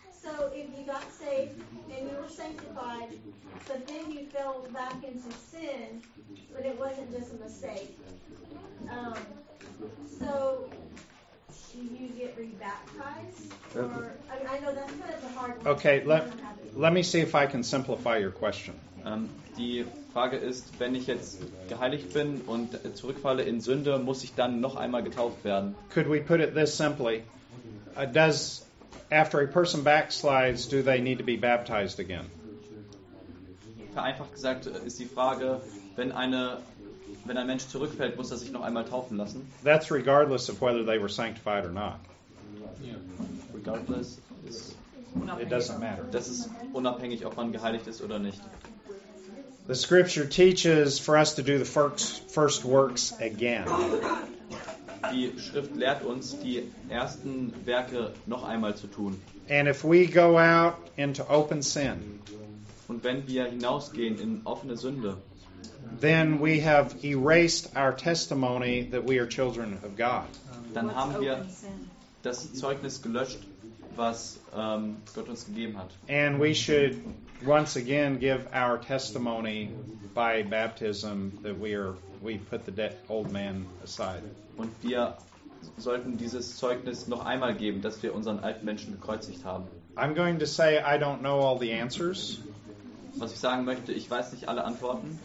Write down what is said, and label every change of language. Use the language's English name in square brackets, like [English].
[English] So if you got saved and you were sanctified, but then you fell back into sin, but it wasn't just a mistake. So do you get rebaptized? Or, I know that's kind of the hard one. Okay, let me see if I can simplify your question. [German] Die Frage ist, wenn ich jetzt geheiligt bin und zurückfalle in Sünde, muss ich dann noch einmal getauft werden? [English] Could we put it this simply? Does after a person backslides, do they need to be baptized again? [German] Vereinfacht gesagt ist die Frage, wenn ein Mensch zurückfällt, muss er sich noch einmal taufen lassen? [English] That's regardless of whether they were sanctified or not. Yeah. Regardless, it doesn't matter. [German] Das ist unabhängig, ob man geheiligt ist oder nicht. [English] The scripture teaches for us to do the first works again. [German] Die Schrift lehrt uns, die ersten Werke noch einmal zu tun. [English] And if we go out into open sin, [German] und wenn wir hinausgehen in offene Sünde, [English] then we have erased our testimony that we are children of God. [German] Dann haben wir das Zeugnis gelöscht, was Gott uns gegeben hat. [English] And we should once again give our testimony by baptism that we put the dead old man aside. [German] Und wir sollten dieses Zeugnis noch einmal geben, dass wir unseren alten Menschen gekreuzigt haben. [English] I'm going to say I don't know all the answers. [German] Was ich sagen möchte, ich weiß nicht alle Antworten.